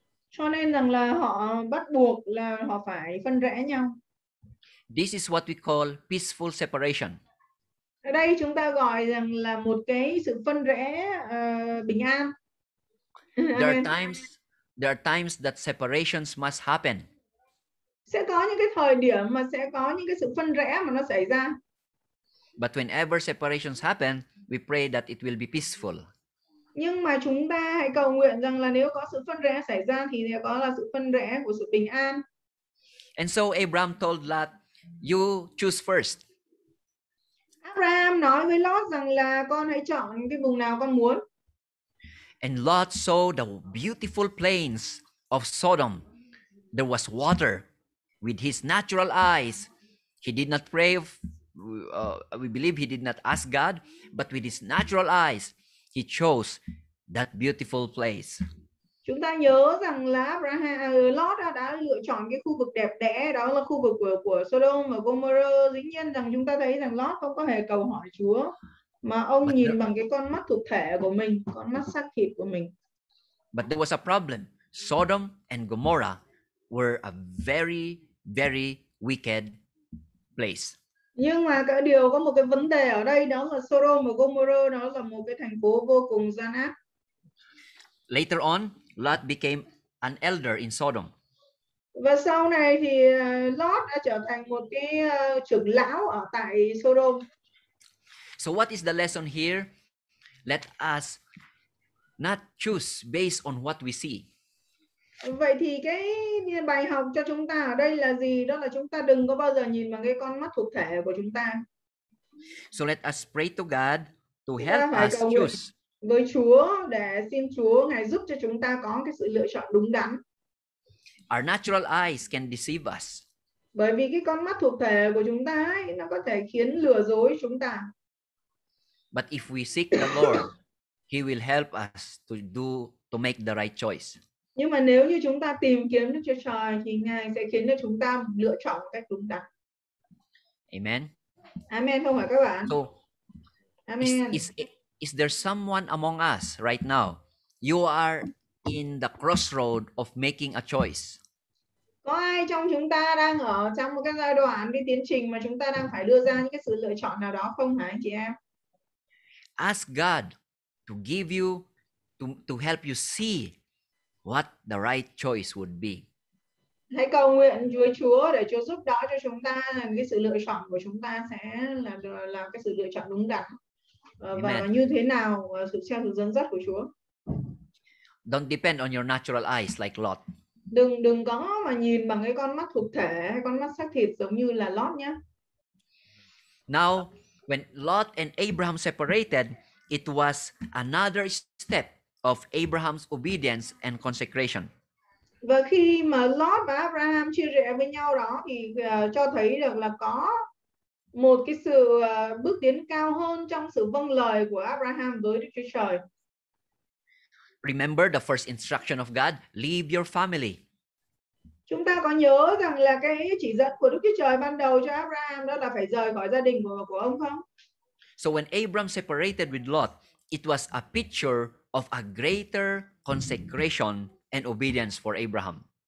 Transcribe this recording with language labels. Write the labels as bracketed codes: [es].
[vi] Cho nên rằng là họ bắt buộc là họ phải phân rẽ nhau. [en] This is what we call peaceful separation. [vi] Ở đây chúng ta gọi rằng là một cái sự phân rẽ bình an. [en] There are times that separations must happen. [vi] Sẽ có những cái thời điểm mà sẽ có những cái sự phân rẽ mà nó xảy ra. [en] But whenever separations happen, we pray that it will be peaceful. [vi] Nhưng mà chúng ta hãy cầu nguyện rằng là nếu có sự phân rẽ xảy ra thì nó có là sự phân rẽ của sự bình an. [en] And so Abraham told Lot, you choose first. [vi] Abraham nói với Lot rằng là con hãy chọn cái vùng nào con muốn. [en] And Lot saw the beautiful plains of Sodom. There was water with his natural eyes. He did not pray we believe he did not ask God, but with his natural eyes, he chose that beautiful place. [vi] Chúng ta nhớ rằng là Abraham, Lot đã lựa chọn cái khu vực đẹp đẽ, đó là khu vực của Sodom và Gomorrah. Dĩ nhiên rằng chúng ta thấy rằng Lot không có hề cầu hỏi Chúa, mà ông [en] but [vi] nhìn [en] there, [vi] bằng cái con mắt thực thể của mình, con mắt xác thịt của mình. [en] But there was a problem. Sodom and Gomorrah were a very, very wicked place. [vi] Nhưng mà cái điều có một cái vấn đề ở đây, đó là Sodom và Gomorrah, đó là một cái thành phố vô cùng gian ác. [en] Later on, Lot became an elder in Sodom. [vi] Và sau này thì Lot đã trở thành một cái trưởng lão ở tại Sodom. [en] So what is the lesson here? Let us not choose based on what we see. [vi] Vậy thì cái bài học cho chúng ta ở đây là gì? Đó là chúng ta đừng có bao giờ nhìn bằng cái con mắt thuộc thể của chúng ta. [en] So let us pray to God to help us choose. [vi] Với Chúa để xin Chúa ngài giúp cho chúng ta có cái sự lựa chọn đúng đắn. [en] Our natural eyes can deceive us. [vi] Bởi vì cái con mắt thuộc thể của chúng ta ấy, nó có thể khiến lừa dối chúng ta. [en] But if we seek the Lord, he will help us to make the right choice. [vi] Nhưng mà nếu như chúng ta tìm kiếm Đức Chúa Trời thì ngài sẽ khiến cho chúng ta lựa chọn một cách đúng đắn. [en] Amen. [vi] Amen không hả các bạn? [en] So, amen. Is there someone among us right now? You are in the crossroad of making a choice. [vi] Có ai trong chúng ta đang ở trong một cái giai đoạn, cái tiến trình mà chúng ta đang phải đưa ra những cái sự lựa chọn nào đó không hả chị em? [en] Ask God to give you to help you see what the right choice would be. [vi] Hãy cầu nguyện với Chúa để Chúa giúp đỡ cho chúng ta là cái sự lựa chọn của chúng ta sẽ là cái sự lựa chọn đúng đắn. Và như thế nào sự theo sự dẫn dắt của Chúa. [en] Don't depend on your natural eyes like Lot. [vi] Đừng có mà nhìn bằng cái con mắt thuộc thể hay con mắt xác thịt giống như là Lot nhé. [en] Now, when Lot and Abraham separated, it was another step of Abraham's obedience and consecration. [vi] Và khi mà Lot và Abraham chia rẽ với nhau đó thì cho thấy được là có một cái sự bước tiến cao hơn trong sự vâng lời của Abraham với Đức Chúa Trời. [en] Remember the first instruction of God, leave your family. [vi] Chúng ta có nhớ rằng là cái chỉ dẫn của Đức Chúa Trời ban đầu cho Abraham đó là phải rời khỏi gia đình của ông không? [en] So when Abraham separated with Lot, it was a picture of a greater consecration and obedience for Abraham.